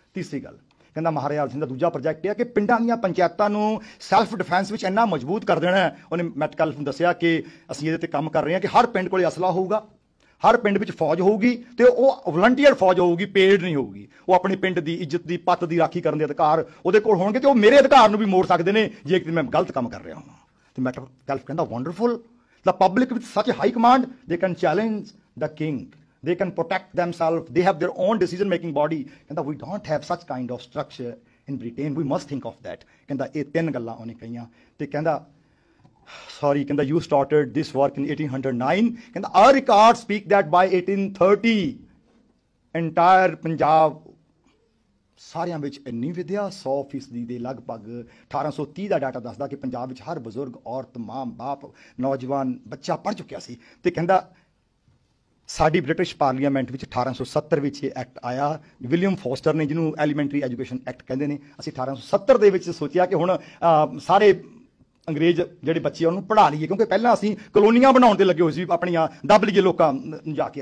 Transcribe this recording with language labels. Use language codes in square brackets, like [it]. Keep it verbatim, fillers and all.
[pa] ਤੀਸਰੀ ਗੱਲ ਕਹਿੰਦਾ ਮਹਾਰਾਜਾ ਹਰ ਸਿੰਘ ਦਾ ਦੂਜਾ ਪ੍ਰੋਜੈਕਟ ਇਹ ਹੈ ਕਿ ਪਿੰਡਾਂ ਦੀਆਂ ਪੰਚਾਇਤਾਂ ਨੂੰ ਸੈਲਫ ਡਿਫੈਂਸ ਵਿੱਚ ਇੰਨਾ ਮਜ਼ਬੂਤ ਕਰ ਦੇਣਾ ਹੈ। ਉਹਨੇ ਮੈਟਕਲਫ ਨੂੰ ਦੱਸਿਆ ਕਿ ਅਸੀਂ ਇਹਦੇ ਤੇ ਕੰਮ ਕਰ ਰਹੇ ਹਾਂ ਕਿ ਹਰ ਪਿੰਡ ਕੋਲ ਅਸਲਾ ਹੋਊਗਾ, ਹਰ ਪਿੰਡ ਵਿੱਚ ਫੌਜ ਹੋਊਗੀ, ਤੇ ਉਹ ਵਲੰਟੀਅਰ ਫੌਜ ਹੋਊਗੀ, ਪੇਡ ਨਹੀਂ ਹੋਊਗੀ। ਉਹ ਆਪਣੇ ਪਿੰਡ ਦੀ ਇੱਜ਼ਤ ਦੀ, ਪੱਤ ਦੀ ਰਾਖੀ ਕਰਨ ਦੇ ਅਧਿਕਾਰ ਉਹਦੇ ਕੋਲ ਹੋਣਗੇ, ਤੇ ਉਹ ਮੇਰੇ ਅਧਿਕਾਰ ਨੂੰ ਵੀ ਮੋੜ ਸਕਦੇ ਨੇ ਜੇ ਕਿ ਮੈਂ ਗਲਤ ਕੰਮ ਕਰ ਰਿਹਾ ਹਾਂ। ਤੇ ਮੈਟਕਲਫ ਕਹਿੰਦਾ [en] Wonderful, the public with such high command they can challenge the king, they can protect themselves, they have their own decision making body, and that we don't have such kind of structure in Britain, we must think of that. [pa] Kenda eh tin gallan ohne kahiyan te kenda sorry kenda [en] you started this work in eighteen oh nine, kenda our records speak that by eighteen thirty entire Punjab [pa] ਸਾਰਿਆਂ ਵਿੱਚ ਇੰਨੀ ਵਿੱਦਿਆ ਸੌ ਫੀਸਦੀ ਦੇ ਲਗਭਗ ਅਠਾਰਾਂ ਸੌ ਤੀਹ ਦਾ ਡਾਟਾ ਦੱਸਦਾ ਕਿ ਪੰਜਾਬ ਵਿੱਚ ਹਰ ਬਜ਼ੁਰਗ, ਔਰਤ, ਮਾਂ, ਬਾਪ, ਨੌਜਵਾਨ, ਬੱਚਾ ਪੜ੍ਹ ਚੁੱਕਿਆ ਸੀ। ਤੇ ਕਹਿੰਦਾ ਸਾਡੀ ਬ੍ਰਿਟਿਸ਼ ਪਾਰਲੀਮੈਂਟ ਵਿੱਚ ਅਠਾਰਾਂ ਸੌ ਸੱਤਰ ਵਿੱਚ ਇਹ ਐਕਟ ਆਇਆ, ਵਿਲੀਅਮ ਫੋਸਟਰ ਨੇ, ਜਿਹਨੂੰ ਐਲੀਮੈਂਟਰੀ ਐਜੂਕੇਸ਼ਨ ਐਕਟ ਕਹਿੰਦੇ ਨੇ। ਅਸੀਂ ਅਠਾਰਾਂ ਸੌ ਸੱਤਰ ਦੇ ਵਿੱਚ ਸੋਚਿਆ ਕਿ ਹੁਣ ਅ, ਸਾਰੇ ਅੰਗਰੇਜ਼ ਜਿਹੜੇ ਬੱਚੇ ਉਹਨੂੰ ਪੜ੍ਹਾ ਲਈਏ, ਕਿਉਂਕਿ ਪਹਿਲਾਂ ਅਸੀਂ ਕਲੋਨੀਆਂ ਬਣਾਉਣ ਦੇ ਲੱਗੇ ਹੋਏ ਸੀ, ਆਪਣੀਆਂ ਦੱਬ ਲਈਏ ਲੋਕਾਂ ਨੂੰ ਜਾ ਕੇ।